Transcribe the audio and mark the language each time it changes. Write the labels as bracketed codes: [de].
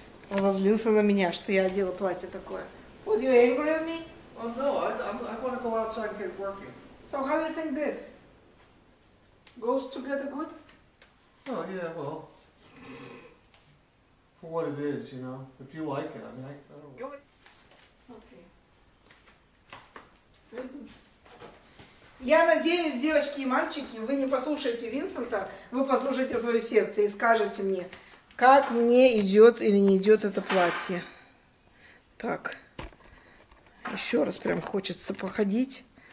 [ru] Он разозлился на меня, что я одела платье такое. [en] Was you angry at me? Oh no, I want to go outside and get working. So how do you think this goes together good? Oh yeah, well, for what it is, you know. If you like it, I mean, I don't. Okay. [ru] Я надеюсь, девочки и мальчики, вы не послушаете Винсента, вы послушаете свое сердце и скажете мне. Как мне идет или не идет это платье? Так, еще раз прям хочется походить.